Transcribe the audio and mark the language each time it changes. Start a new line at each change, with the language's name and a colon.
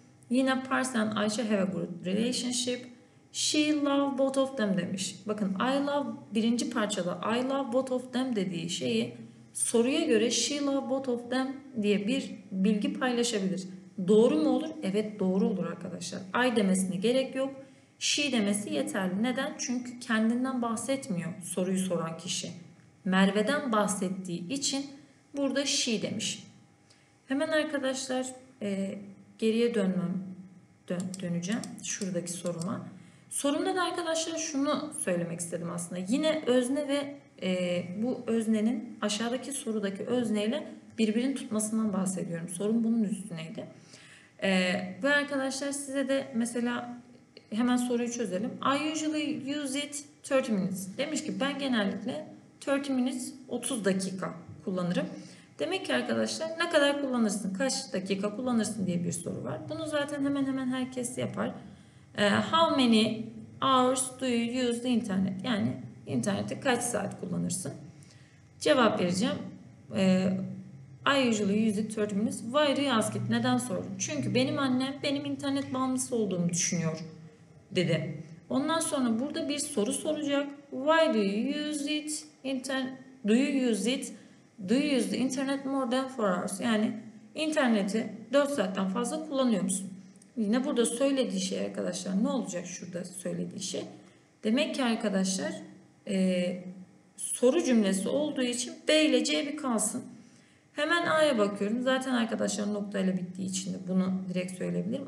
English: Yine Pars and Ayça have a good relationship. She love both of them demiş.
Turkish: Bakın I love birinci parçada
English: I love both of them
Turkish: dediği şeyi soruya göre
English: she love both of them
Turkish: diye bir bilgi paylaşabilir. Doğru mu olur? Evet doğru olur arkadaşlar. I demesine gerek yok. she demesi yeterli. Neden? Çünkü kendinden bahsetmiyor soruyu soran kişi. Merve'den bahsettiği için burada she demiş. Hemen arkadaşlar geriye döneceğim şuradaki soruma. Sorumda da arkadaşlar şunu söylemek istedim aslında. Yine özne ve bu öznenin aşağıdaki sorudaki özneyle birbirini tutmasından bahsediyorum. Sorun bunun üstüneydi. Bu arkadaşlar size de mesela hemen soruyu çözelim.
English: I usually use it 30 minutes.
Turkish: Demiş ki ben genellikle
English: 30 minutes
Turkish: 30 dakika kullanırım. Demek ki arkadaşlar ne kadar kullanırsın, kaç dakika kullanırsın diye bir soru var. Bunu zaten hemen hemen herkes yapar.
English: How many hours do you use the internet?
Turkish: Yani internette kaç saat kullanırsın? Cevap vereceğim.
English: I usually use it 30 minutes. Why do you ask it?
Turkish: Neden sordun? Çünkü benim annem benim internet bağımlısı olduğumu düşünüyor dedi. Ondan sonra burada bir soru soracak.
English: Why do you use it? Do you use the internet more than 4 hours?
Turkish: Yani interneti 4 saatten fazla kullanıyor musun? Yine burada söylediği şey arkadaşlar ne olacak şurada söylediği şey? Demek ki arkadaşlar soru cümlesi olduğu için B ile C bir kalsın. Hemen A'ya bakıyorum. Zaten arkadaşlar noktayla bittiği için de bunu direkt söyleyebilirim.